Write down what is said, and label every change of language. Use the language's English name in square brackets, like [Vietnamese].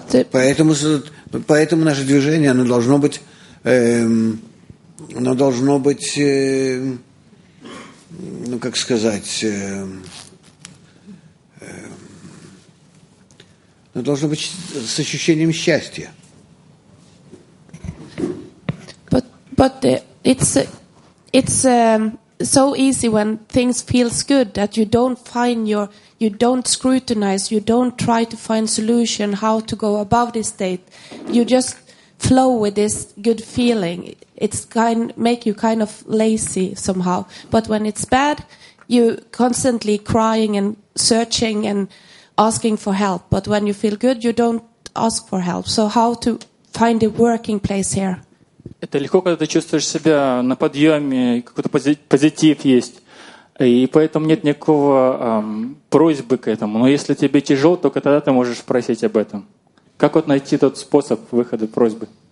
[Russian] Поэтому наше движение, оно должно быть с ощущением счастья. [English] But it's so easy when things feels good that you don't find your, you don't scrutinize, you don't try to find solution how to go above this state. You just flow with this good feeling. It's kind make you kind of lazy somehow. But when it's bad, you constantly crying and searching and asking for help, but when you feel good, you don't ask for help. So how to find a working place here? [Russian] Это легко, когда ты чувствуешь себя на подъеме, какой-то позитив есть, и поэтому нет никакого просьбы к этому. Но если тебе тяжело, только тогда ты можешь спросить об этом. Как вот найти тот способ выхода просьбы?